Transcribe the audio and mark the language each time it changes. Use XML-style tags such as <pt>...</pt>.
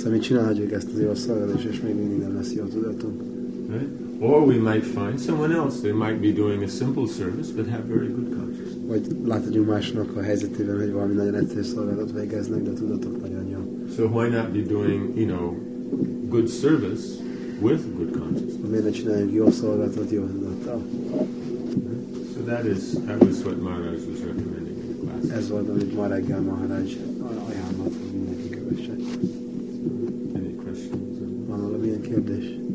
<hu>So mi csinálhatjuk ezt az jó szolgálatot, és még mindig nem lesz jó tudatunk.</hu> <en>Right? Or we might find someone else. They might be doing a simple service but have very good consciousness.</en> <hu>Vagy láthatjuk másnak a helyzetében, hogy valami nagyon egyszerű szolgálatot végeznek, de tudatok nagyon jó.</hu> <en>So why not be doing, you know, good service with good consciousness?</en> <hu>Miért ne csináljunk jó szolgálatot jó tudattal?</hu> <en>So that was what Maharaj was recommending.</en> <hu>Ez volt, amit ma reggel Maharaj ajánlott, hogy mindenki kövesse.</hu> <en>Any questions?</en> <hu>Van valami ilyen kérdés?</hu>